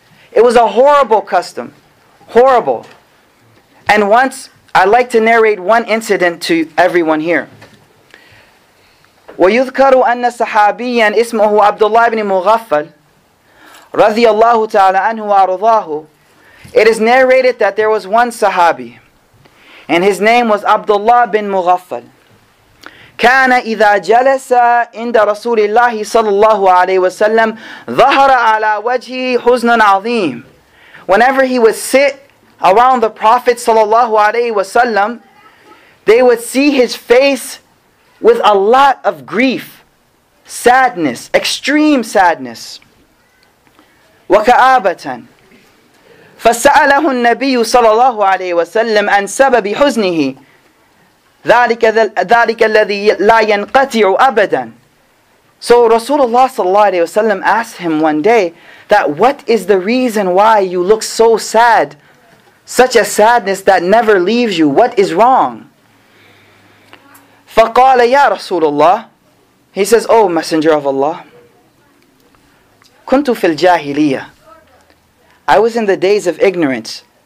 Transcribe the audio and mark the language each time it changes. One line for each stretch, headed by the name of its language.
English: It was a horrible custom. Horrible. And once, I'd like to narrate one incident to everyone here.
Arabic: وَيُذْكَرُ أَنَّ صَحَابِيًا إِسْمُهُ عَبْدُ اللَّهِ بْنِ مُغَفَّلِ رَضِيَ اللَّهُ تَعَالَىٰ أَنْهُ وَأَرْضَاهُ.
English: It is narrated that there was one Sahabi, and his name was Abdullah bin Mughaffal.
Arabic: كان إذا جلس عند رسول الله صلى الله عليه وسلم ظهر على وجهه حزن عظيم.
English: Whenever he would sit around the Prophet صلى الله عليه وسلم, they would see his face with a lot of grief, sadness, extreme sadness.
Arabic: وكآبة. فسأله النبي صلى الله عليه وسلم عن سبب حزنه. ذَلِكَ الَّذِي لَا يَنْقَتِعُ أَبَدًا.
English: So Rasulullah sallallahu alayhi wa sallam asked him one day that what is the reason why you look so sad, such a sadness that never leaves you? What is wrong?
Arabic: فَقَالَ يَا رَسُولُ اللَّهِ.
English: He says, oh Messenger of Allah,
Arabic: كُنْتُ فِي الْجَاهِلِيَّةِ.
English: I was in the days of ignorance.